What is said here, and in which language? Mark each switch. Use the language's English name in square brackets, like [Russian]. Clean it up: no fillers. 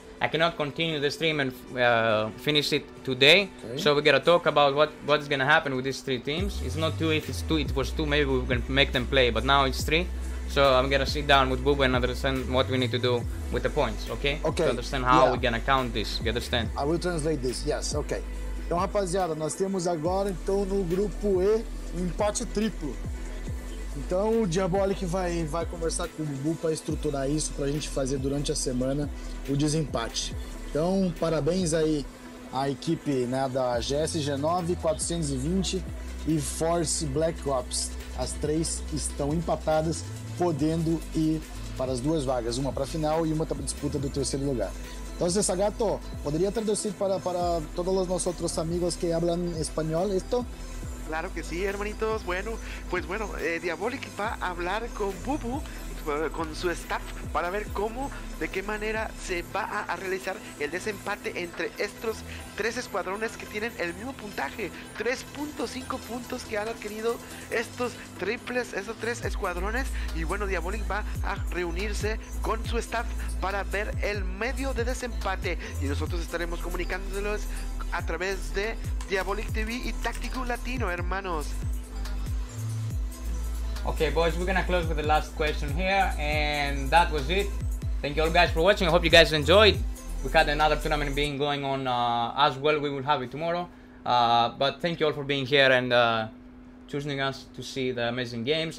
[English] Yeah. I cannot continue the stream and finish it today. Okay. So we gotta talk about what is gonna happen with these three teams. It's not two, if it's two, it was two, maybe we can make them play, but now it's three. So I'm gonna sit down with Bubu and understand what we need to do with the points, okay? Okay. To understand how we're gonna count this, you understand? I will translate this, yes, okay. [Portuguese] Então, rapaziada, nós temos agora, então, no grupo E, empate triplo. Então o Diabolik vai conversar com o Bubu para estruturar isso, para a gente fazer durante a semana o desempate. Então parabéns aí à equipe, né, da GSG9, 420 e Force Black Ops. As três estão empatadas, podendo ir para as duas vagas, uma para a final e uma para a disputa do terceiro lugar. Então, Sagato, poderia traduzir para todos os nossos outros amigos que hablan espanhol isto? [Spanish] Claro que sí, hermanitos. Bueno, pues bueno, Diabolik va a hablar con Bubu, con su staff, para ver cómo, de qué manera se va a realizar el desempate entre estos tres escuadrones que tienen el mismo puntaje, 3.5 puntos que han adquirido estos tres escuadrones. Y bueno, Diabolik va a reunirse con su staff para ver el medio de desempate y nosotros estaremos comunicándoles a través de Diabolik TV y Tacticool Latino, hermanos. [English] Okay, boys, we're gonna close with the last question here, and that was it. Thank you all guys for watching. I hope you guys enjoyed. We had another tournament being going on as well. We will have it tomorrow. But thank you all for being here and choosing us to see the amazing games.